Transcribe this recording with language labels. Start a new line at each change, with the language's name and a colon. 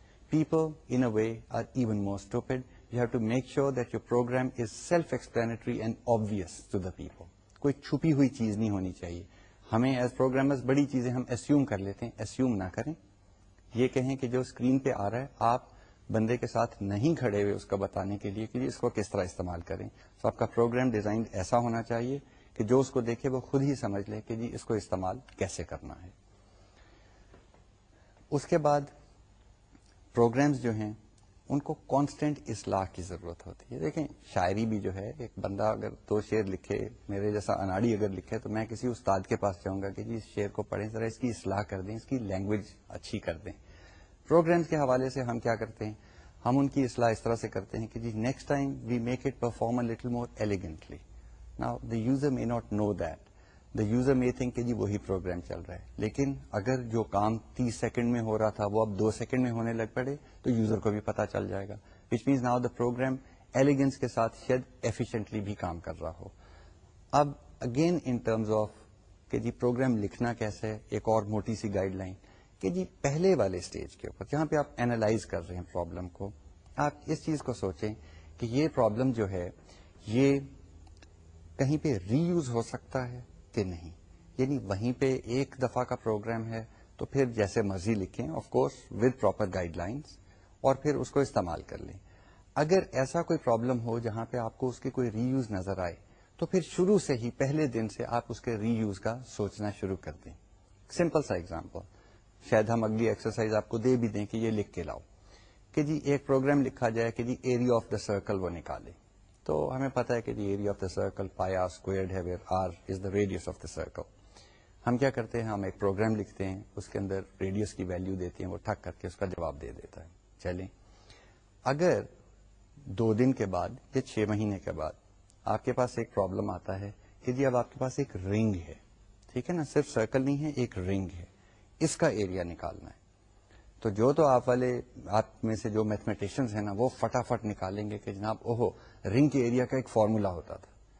English: People in a way are even more stupid, you have to make sure that your program is self explanatory and obvious to the people.
Urdu: کوئی چھپی ہوئی چیز نہیں ہونی چاہیے. ہمیں ایز پروگرامرز بڑی چیزیں ہم ایسیوم کر لیتے ہیں, ایسیوم نہ کریں. یہ کہیں کہ جو اسکرین پہ آ رہا ہے آپ بندے کے ساتھ نہیں کھڑے ہوئے اس کا بتانے کے لیے کہ اس کو کس طرح استعمال کریں. تو آپ کا پروگرام ڈیزائن ایسا ہونا چاہیے کہ جو اس کو دیکھے وہ خود ہی سمجھ لے کہ جی اس کو استعمال کیسے کرنا ہے. اس کے بعد پروگرامز جو ہیں ان کو کانسٹنٹ اصلاح کی ضرورت ہوتی ہے. دیکھیں شاعری بھی جو ہے, ایک بندہ اگر دو شعر لکھے, میرے جیسا اناڑی اگر لکھے تو میں کسی استاد کے پاس جاؤں گا کہ جی اس شعر کو پڑھیں, ذرا اس کی اصلاح کر دیں, اس کی لینگویج اچھی کر دیں. پروگرامز کے حوالے سے ہم کیا کرتے ہیں, ہم ان کی اصلاح اس طرح سے کرتے ہیں کہ جی
English: Next time we make it perform a little more elegantly. Now the user may not know that, the user may think
Urdu: کہ جی وہی پروگرام چل رہا ہے, لیکن اگر جو کام 30 سیکنڈ میں ہو رہا تھا وہ اب 2 سیکنڈ میں ہونے لگ پڑے تو یوزر کو بھی پتا چل جائے گا.
English: which means now the
Urdu: programme elegance کے ساتھ شاید ایفیشنٹلی بھی کام کر رہا ہو. اب
English: again in terms of
Urdu: کہ جی پروگرام لکھنا کیسے ہے, ایک اور موٹی سی گائیڈ لائن کہ جی پہلے والے اسٹیج کے اوپر جہاں پہ آپ اینالائز کر رہے ہیں پرابلم کو, آپ اس چیز کو سوچیں کہ یہ پرابلم جو ہے یہ کہیں پہ ری یوز ہو سکتا ہے کہ نہیں. یعنی وہیں پہ ایک دفعہ کا پروگرام ہے تو پھر جیسے مرضی لکھیں,
English: of course with proper guidelines,
Urdu: اور پھر اس کو استعمال کر لیں. اگر ایسا کوئی پرابلم ہو جہاں پہ آپ کو اس کی کوئی ری یوز نظر آئے تو پھر شروع سے ہی پہلے دن سے آپ اس کے ری یوز کا سوچنا شروع کر دیں. سمپل سا ایگزامپل, شاید ہم اگلی ایکسرسائز آپ کو دے بھی دیں کہ یہ لکھ کے لاؤ کہ جی ایک پروگرام لکھا جائے کہ جی ایریا آف دا سرکل وہ نکالے. تو ہمیں پتا ہے کہ جی ایریا آف دا سرکل پایا اسکوئرڈ ہے
English: Where r is the radius of the circle.
Urdu: ہم کیا کرتے ہیں, ہم ایک پروگرام لکھتے ہیں, اس کے اندر ریڈیس کی ویلیو دیتے ہیں, وہ ٹھک کر کے اس کا جواب دے دیتا ہے. چلیں اگر 2 دن کے بعد یا 6 مہینے کے بعد آپ کے پاس ایک پرابلم آتا ہے کہ جی اب آپ کے پاس ایک رنگ ہے, ٹھیک ہے نا, صرف سرکل نہیں ہے ایک رنگ ہے, اس کا ایریا نکالنا ہے, تو جو تو آپ والے آپ میں سے جو میتھمیٹیشنز ہیں نا وہ فٹافٹ نکالیں گے کہ جناب اوہو رنگ کے ایریا کا ایک فارمولا ہوتا تھا.